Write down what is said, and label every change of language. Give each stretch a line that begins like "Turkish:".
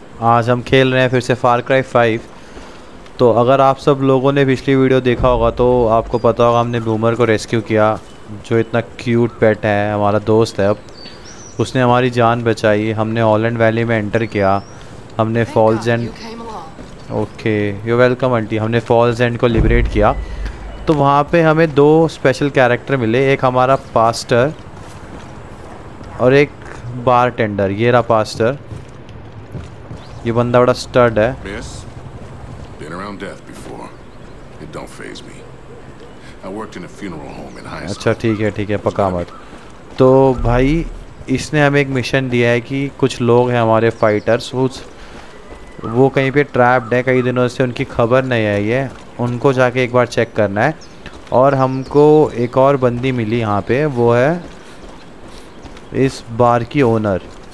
Hindi: आज हम खेल रहे हैं फिर से फार क्राई 5। तो अगर आप सब लोगों ने पिछली वीडियो देखा होगा तो आपको पता होगा हमने बूमर को रेस्क्यू किया, जो इतना क्यूट पेट है, हमारा दोस्त है। अब उसने हमारी जान बचाई, हमने हॉलैंड वैली में एंटर किया, हमने false and
English: okay you welcome aunty,
Hindi: हमने फॉल्स एंड को लिबरेट किया। तो वहाँ पर हमें दो स्पेशल कैरेक्टर मिले, एक हमारा पास्टर और एक बार टेंडर। ये रहा पास्टर, ये बंदा बड़ा स्टड है।
English: Miss, been around death before. It don't faze me. I worked in a funeral home in high school.
Hindi: अच्छा ठीक है पका मत। तो भाई इसने हमें एक मिशन दिया है कि कुछ लोग हैं हमारे फाइटर्स, वो कहीं पे ट्रैप्ड हैं, कई दिनों से उनकी खबर नहीं आई है, उनको जाके एक बार चेक करना है। और हमको एक और बंदी मिली यहाँ पे, वो है इस बार की ओनर।